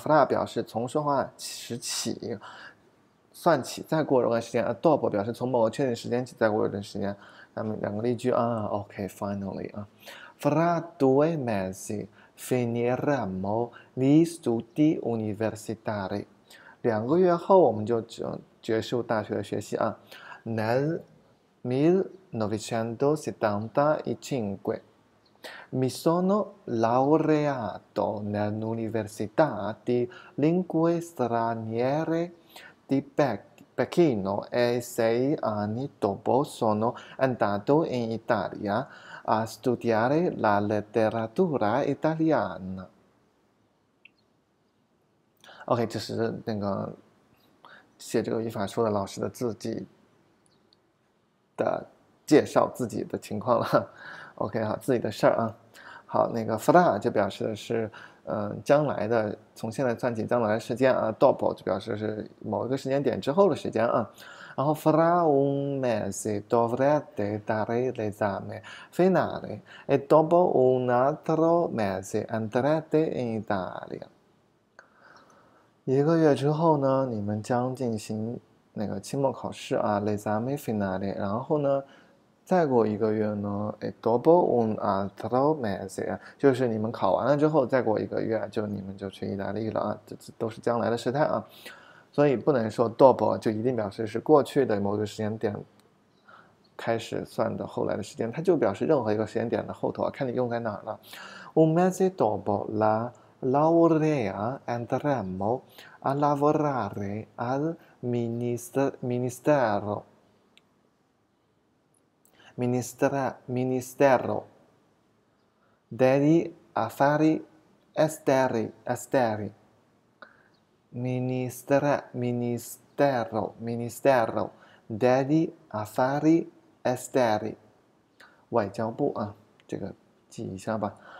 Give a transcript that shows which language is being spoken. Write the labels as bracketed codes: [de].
[zh] fra 表示从说话时起。算起，再过若干时间啊，dopo 表示从某个确定时间起再过一段时间。那么两个例句啊，OK，finally 啊， [it] fra 2 mesi finiremo gli studi universitari， [zh] 2个月后我们就结束大学的学习啊。 [it] Nel 1975 mi sono laureato nell'università di lingue straniere di Pechino e 6 anni dopo sono andato in Italia a studiare la letteratura italiana. [zh] OK，这是那个写这个语法书的老师的自己的介绍自己的情况了。 OK，好，自己的事儿啊。好，那个 fra 就表示的是。将来的，从现在算起将来的时间啊，dopo 就表示是某一个时间点之后的时间啊。 [it] 然后 fra un mese dovrete dare l'esame finale e dopo un altro mese andrete in Italia。 [zh] 1个月之后呢，你们将进行那个期末考试啊， [it] l'esame finale。 [zh] 然后呢？再过1个月呢，哎， [it] dopo un altro mese [zh] 啊，就是你们考完了之后，再过1个月，就你们就去意大利了啊，这都是将来的时态啊，所以不能说 dopo 就一定表示是过去的某个时间点开始算的后来的时间，它就表示任何一个时间点的后头啊，看你用在哪儿了。 [it] Un mese dopo la laurea andremo a lavorare al ministero。 Ministero degli affari esteri, ministero degli affari esteri, [zh] 外交部啊，这个记一下吧。